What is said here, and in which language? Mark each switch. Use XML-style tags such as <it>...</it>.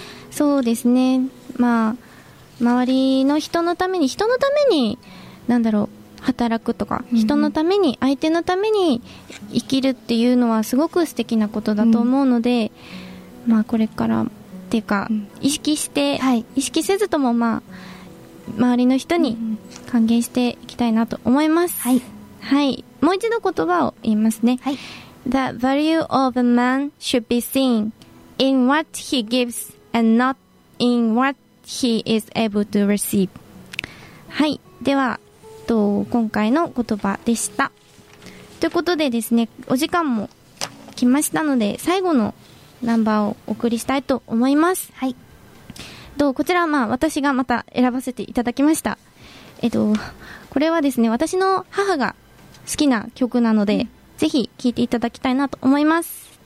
<ja>そうですね、まあ、周りの人のために、人のために、なんだろう、働くとか、人のために、相手のために生きるっていうのはすごく素敵なことだと思うので、まあ、これからっていうか、意識して、意識せずとも、まあ、周りの人に還元していきたいなと思います、はい、はい。もう一度言葉を言いますね、はい、</ja> <en>The value of a man should be seen in what he gives and not in what he is able to receive。</en> <ja>はい、では今回の言葉でした。ということでですね、お時間も来ましたので最後のナンバーをお送りしたいと思います。はい、どう、こちらはまあ私がまた選ばせていただきました。これはですね、私の母が好きな曲なので、うん、ぜひ聴いていただきたいなと思います。</ja>